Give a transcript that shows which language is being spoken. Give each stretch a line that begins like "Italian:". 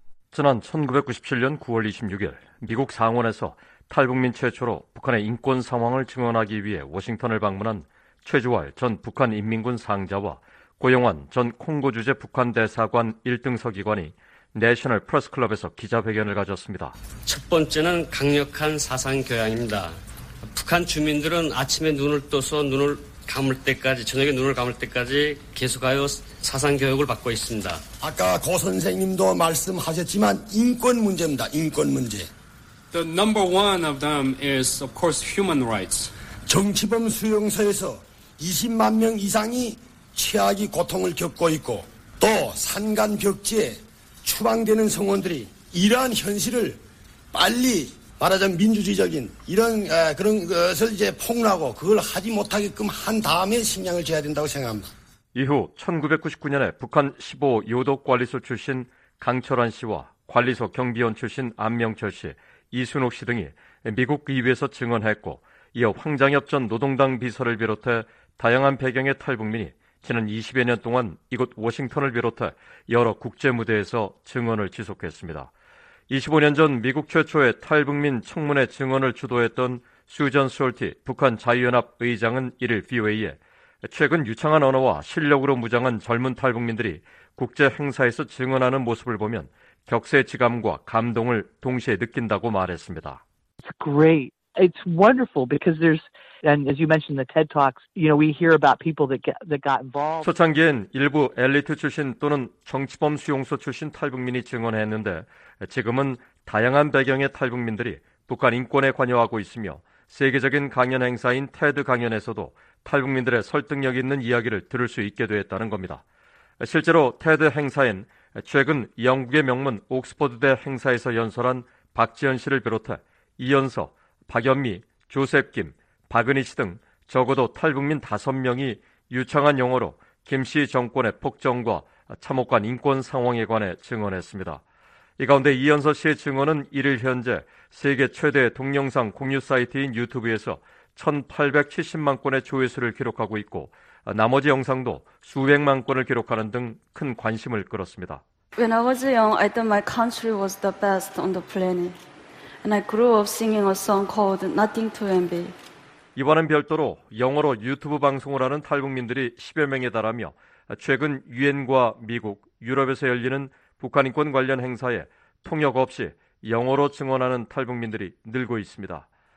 Korean: 지난 1997년 9월 26일 미국 상원에서 탈북민 최초로 북한의 인권 상황을 증언하기 위해 워싱턴을 방문한 최주월 전 북한 인민군 상자와 고영환 전 콩고 주재 북한 대사관 1등서기관이 내셔널 프레스클럽에서 기자회견을 가졌습니다. 첫 번째는 강력한 사상 교양입니다. 북한 주민들은 아침에 눈을 떠서 눈을 감을 때까지 저녁에 눈을 감을 때까지 계속하여 사상 교육을 받고 있습니다. 아까 고 선생님도 말씀하셨지만 인권 문제입니다. 인권 문제.
English: The number one of them is, of course, human rights.
Korean: 정치범 수용소에서 20만 명 이상이 최악의 고통을 겪고 있고 또 산간벽지에 추방되는 성원들이 이러한 현실을 빨리 말하자면 민주주의적인 이런 그런 것을 이제 폭로하고 그걸 하지 못하게끔 한 다음에 식량을 줘야 된다고 생각합니다. 이후 1999년에 북한 15 요독관리소 출신 강철환 씨와 관리소 경비원 출신 안명철 씨, 이순옥 씨 등이 미국 의회에서 증언했고 이어 황장엽 전 노동당 비서를 비롯해 다양한 배경의 탈북민이 지난 20여 년 동안 이곳 워싱턴을 비롯해 여러 국제 무대에서 증언을 지속했습니다. 25년 전 미국 최초의 탈북민 청문회 증언을 주도했던 수전 솔티 북한 자유연합 의장은 이를 VOA에 최근 유창한 언어와 실력으로 무장한 젊은 탈북민들이 국제 행사에서 증언하는 모습을 보면 격세지감과 감동을 동시에 느낀다고 말했습니다.
English: It's great. It's wonderful because there's and as you mentioned the TED talks, you know, we hear about people that got involved.
Korean: 초창기엔 일부 엘리트 출신 또는 정치범 수용소 출신 탈북민이 증언했는데 지금은 다양한 배경의 탈북민들이 북한 인권에 관여하고 있으며 세계적인 강연 행사인 테드 강연에서도 탈북민들의 설득력 있는 이야기를 들을 수 있게 되었다는 겁니다. 실제로 테드 행사엔 최근 영국의 명문 옥스퍼드대 행사에서 연설한 박지현 씨를 비롯해 이연서, 박연미, 조셉 김, 박은희 씨 등 적어도 탈북민 5명이 유창한 용어로 김 씨 정권의 폭정과 참혹한 인권 상황에 관해 증언했습니다. 이 가운데 이연서 씨의 증언은 1일 현재 세계 최대 동영상 공유 사이트인 유튜브에서 1870만 건의 조회수를 기록하고 있고 나머지 영상도 수백만 건을 기록하는 등 큰 관심을 끌었습니다.
English: When I was young, I thought my country was the best on the planet. And I grew up singing a song called Nothing to Envy.
Korean: 이번엔 별도로 영어로 유튜브 방송을 하는 탈북민들이 10여 명에 달하며 최근 UN과 미국, 유럽에서 열리는 북한 인권 관련 행사에 통역 없이 영어로 증언하는 탈북민들이 늘고 있습니다.